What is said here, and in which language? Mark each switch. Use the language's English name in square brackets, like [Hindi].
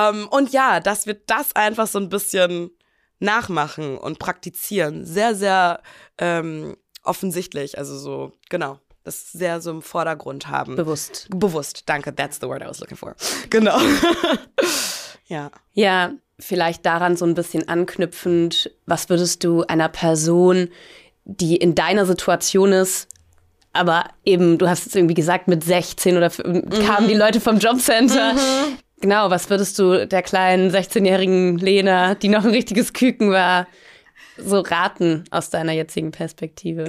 [German] und ja, dass wir das einfach so ein bisschen nachmachen und praktizieren, sehr, sehr offensichtlich, also so, genau, das sehr so im Vordergrund haben. Bewusst. Bewusst, danke, [English] that's the word I was looking for. [German] Genau. Ja. Ja, vielleicht daran so ein bisschen anknüpfend, was würdest du einer Person, die in deiner Situation ist, aber eben, du hast jetzt irgendwie gesagt, mit 16 oder kamen die Leute vom Jobcenter. Genau, was würdest du der kleinen 16-jährigen Lena, die noch ein richtiges Küken war, so raten aus deiner jetzigen Perspektive?